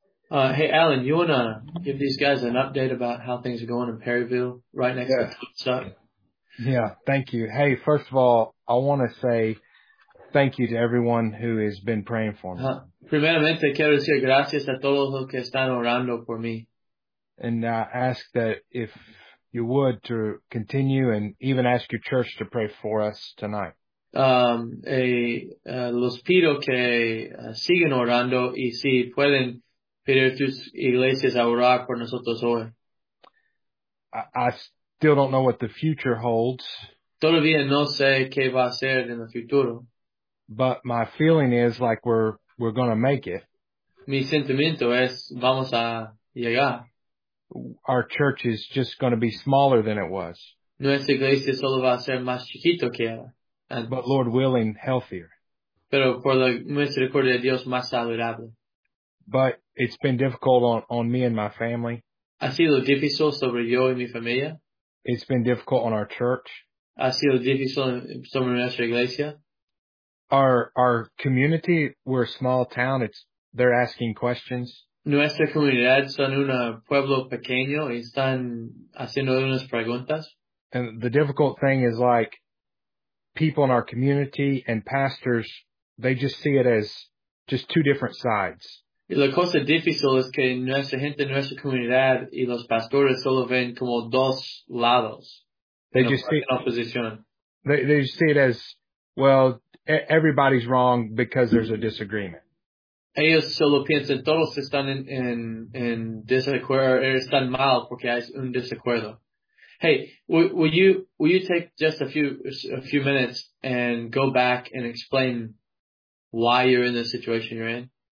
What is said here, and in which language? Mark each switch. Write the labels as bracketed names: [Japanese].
[English] Hey, Alan, you wanna give these guys an update about how things are going in Perryville right next to Topstock? Yeah, thank you. Hey, first of all, I want to say thank you to everyone who has been praying for me. [Spanish] Primeramente quiero decir gracias a todos los que están orando por mí. [English] And I ask that if you would to continue and even ask your church to pray for us tonight. [Spanish] Los pido que sigan orando y si pueden pedir tus iglesias a orar por nosotros hoy. [English] I still don't know what the future holds. [Spanish] Todavía no sé qué va a ser en el futuro. [English] But my feeling is like we're gonna make it. [Spanish] Mi sentimiento es vamos a llegar. [English] Our church is just gonna be smaller than it was. [Spanish] Nuestra iglesia solo va a ser más chiquito que era [English] But [Spanish] antes. [English] Lord willing, healthier. [Spanish] Pero por la misericordia de Dios más saludable. [English] But it's been difficult on me and my family. [Spanish] ¿Ha sido difícil sobre yo y mi familia? [English] It's been difficult on our church. [Spanish] ¿Ha sido difícil sobre nuestra iglesia? [English] Our community, we're a small town. They're asking questions. [Spanish] ¿Nuestra comunidad son un pueblo pequeño y están haciendo unas preguntas? [English] And the difficult thing is like people in our community and pastors, they just see it as just two different sides. [Spanish] Y la cosa difícil es que nuestra gente, nuestra comunidad y los pastores solo ven como dos lados [English] They [Spanish] en [English] just see [Spanish] oposición. [English] they just see it as, well, everybody's wrong because there's a disagreement. [Spanish] Ellos solo piensan todos están en desacuerdo, están mal porque hay un desacuerdo. [English] Hey, will you take just a few minutes and go back and explain why you're in the situation you're in?